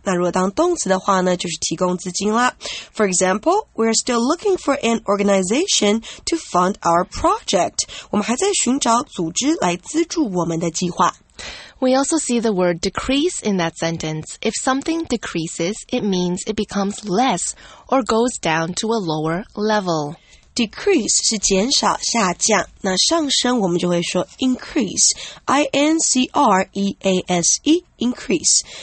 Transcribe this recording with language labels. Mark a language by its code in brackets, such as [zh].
[zh] 那如果当动词的话呢，就是提供资金啦。 [en] For example, we're still looking for an organization to fund our project. [zh] 我们还在寻找组织来资助我们的计划。 [en] We also see the word decrease in that sentence. If something decreases, it means it becomes less or goes down to a lower level. [zh] Decrease 是减少、下降，那上升我们就会说 increase, I-N-C-R-E-A-S-E, increase.